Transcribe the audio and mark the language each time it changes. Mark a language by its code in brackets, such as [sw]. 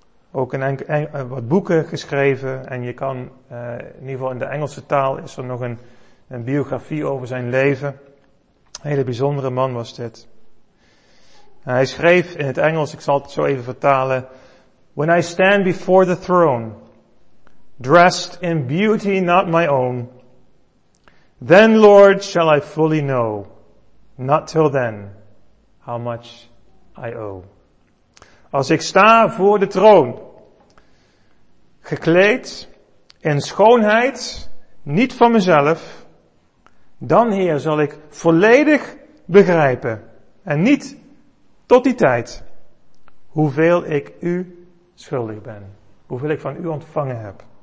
[nl] Ook wat boeken geschreven. En je kan, in ieder geval in de Engelse taal, is er nog een biografie over zijn leven. Een hele bijzondere man was dit. En hij schreef in het Engels, ik zal het zo even vertalen. [en] When I stand before the throne, dressed in beauty not my own, then, Lord, shall I fully know, not till then, how much I owe. [nl] Als ik sta voor de troon, gekleed in schoonheid, niet van mezelf, dan, Heer, zal ik volledig begrijpen, en niet tot die tijd, hoeveel ik u schuldig ben, hoeveel ik van u ontvangen heb.